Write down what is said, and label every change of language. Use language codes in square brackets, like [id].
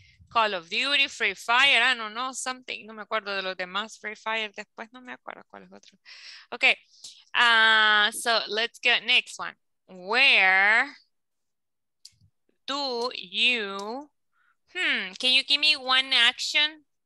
[en] Call of Duty, Free Fire, I don't know, something. [es] No me acuerdo de los demás. Free Fire, después no me acuerdo cuál es otro. [en] Ok. So let's go next one. Where do you, can you give me one action?